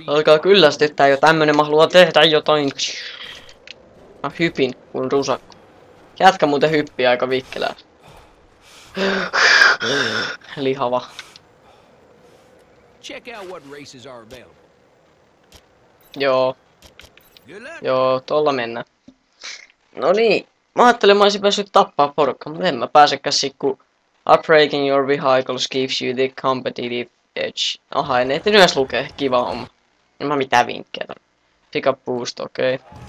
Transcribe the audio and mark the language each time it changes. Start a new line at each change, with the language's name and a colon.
Finnish: Alkaa kyllästyttää jo tämmönen, mä haluan tehdä jotain. Mä hypin kun rusakko. Jätkä muuten hyppii aika vikkelää. Lihava.
English: Check out what races are available.
Finnish: Joo. Joo, tolla mennä. No niin, mä ajattelin, mä olisin päässyt tappaa porukka, mutta en mä pääsekään sit, kun
English: upbreaking your vehicles gives you the competitive edge.
Finnish: Aha, en ehtinyt edes lukee. Kiva homma. En mä mitään vinkkejä.
English: Pick up boost, okei.